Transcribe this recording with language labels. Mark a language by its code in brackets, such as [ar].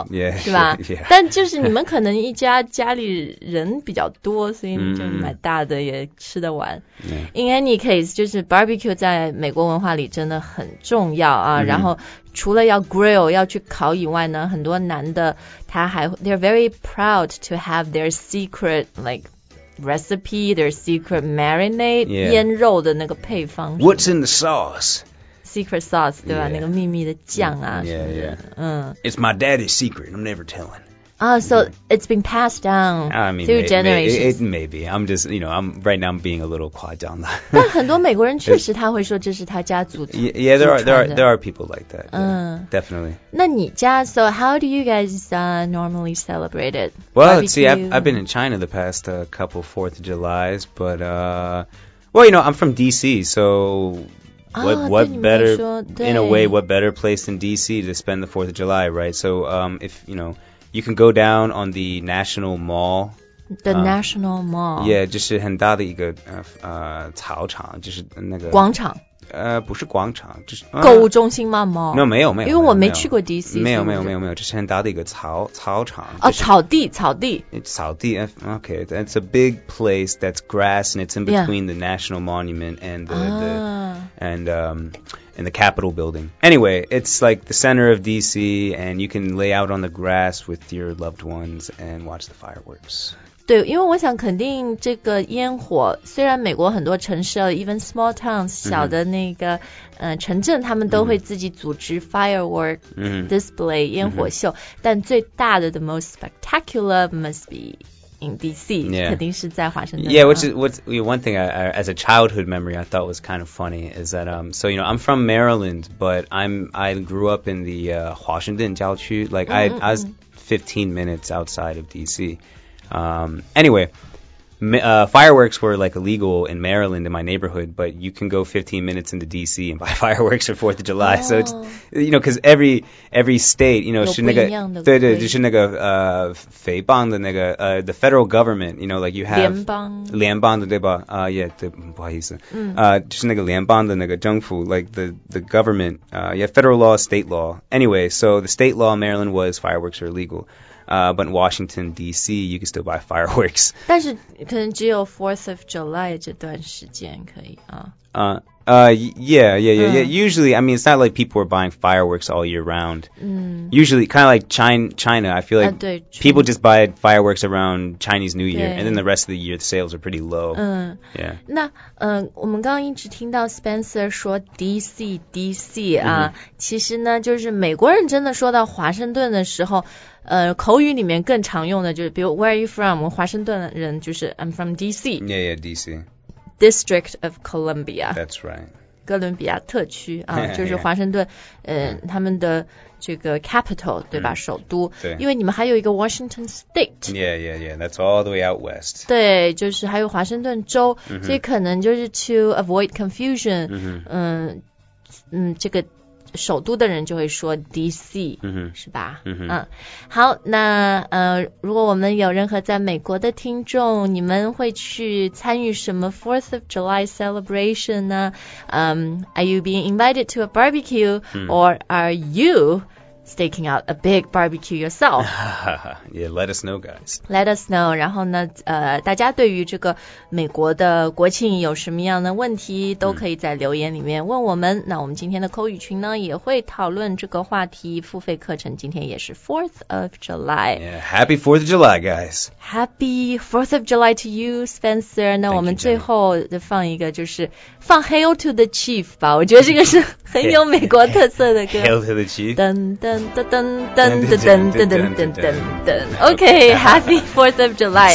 [en] oh、God, yeah, [zh] 是吧 [en] yeah, yeah. [zh] 但就是你们可能一家家里人比较多所以你就买大的也吃得完。 Mm-hmm. [en] In any case, [zh] 就是 barbecue 在美国文化里真的很重要啊、mm-hmm. 然后除了要 grill, 要去烤以外呢很多男的他还 [en] they're very proud to have their secret, like,recipe, their secret marinade,、 yeah. [zh] 腌肉的那个配方。 [en] What's in the sauce? Secret sauce, 对吧、 yeah. [zh] 那个秘密的酱啊。 [en] Yeah, [zh] 是不是 [en] yeah. 嗯。 It's my daddy's secret, I'm never telling. Oh, so、yeah. it's been passed down I mean, through generations. Maybe, I'm just, you know, I'm, right now I'm being a little [zh] 夸张的。但很多美国人确实他会说这是他家族 [en] yeah, yeah, there are people like that, yeah,、嗯、 definitely. 那你家 so how do you guys、normally celebrate it? Well, see, I've been in China the past、couple 4th of July's, but,、well, you know, I'm from D.C., so... What better, in a way, what better place than D.C. to spend the 4th of July, right? So, if, you know, you can go down on the National Mall. The National Mall. [zh] Yeah, 就是很大的一个草场，就是那个。广场。不是广场，就是。购物中心吗 ？Mall？没有，没有，没有。因为我没去过 D.C. 没有，这是很大的一个草场。哦，草地，草地。 [en] 草地 ，Okay, that's a big place that's grass and it's in between the National Monument and the. And the Capitol building. Anyway, it's like the center of D.C. and you can lay out on the grass with your loved ones and watch the fireworks. [zh] 对，因为我想肯定这个烟火，虽然美国很多城市 ， [en] even small towns [zh] 小的那个、mm-hmm. 城镇，他们都会自己组织 firework、 mm-hmm. display 烟火秀， mm-hmm. 但最大的 [en] the most spectacular must be. In D.C. Yeah. [zh] 肯定是在华盛顿。 [en] Yeah, which is one thing I, as a childhood memory I thought was kind of funny is that so you know I'm from Maryland but I grew up in the [zh] 华盛顿郊区 [en] like mm-hmm. I was 15 minutes outside of D.C. Anyway, fireworks were like illegal in Maryland in my neighborhood but you can go 15 minutes into D.C. and buy fireworks for 4th of July、 oh. so it's you know because every state you know [zh] 是那个对对就是那个肥棒的那个 [en] the federal government you know like you have [zh] 联邦的对吧yeah 对不好意思、嗯、就是那个联邦的那个政府 [en] like the government yeah federal law state law anyway so the state law in Maryland was fireworks are illegal but in Washington, D.C., you can still buy fireworks. [zh] 但是可能只有 4th of July 这段时间可以啊。 [en] Yeah. Usually, I mean, it's not like people are buying fireworks all year round. Usually, kind of like China, I feel like people just buy fireworks around Chinese New Year, and then the rest of the year, the sales are pretty low. Yeah. [zh] 那我们刚刚一直听到 Spencer 说 DC 啊，其实呢，就是美国人真的说到华盛顿的时候。口语里面更常用的就是比如 [en] Where are you from? [zh] 华盛顿人就是 [en] I'm from DC. Yeah, DC. District of Columbia. That's right. [zh] 哥伦比亚特区啊就是华盛顿他们的这个 capital, 对吧首都。对。因为你们还有一个 Washington State. [en] Yeah. That's all the way out west. [zh] 对就是还有华盛顿州、所以可能就是 [en] to avoid confusion, [zh] 这个首都的人就会说 DC,、是吧、好那如果我们有任何在美国的听众你们会去参与什么 4th of July celebration 呢、 [en] Are you being invited to a barbecue、or are you staking out a big barbecue yourself? Yeah, let us know guys. [zh] Let us know, 然后呢大家对于这个美国的国庆有什么样的问题都可以在留言里面问我们。那我们今天的口语群呢也会讨论这个话题付费课程今天也是 4th of July. [en] Yeah, happy 4th of July guys. Happy 4th of July to you, Spencer. [zh] 那我们最后放一个就是放 Hail to the Chief 吧我觉得这个是很有美国特色的歌。 [en] Hail to the Chief. 噔噔噔噔噔噔噔噔噔噔 OK, happy 4th of July.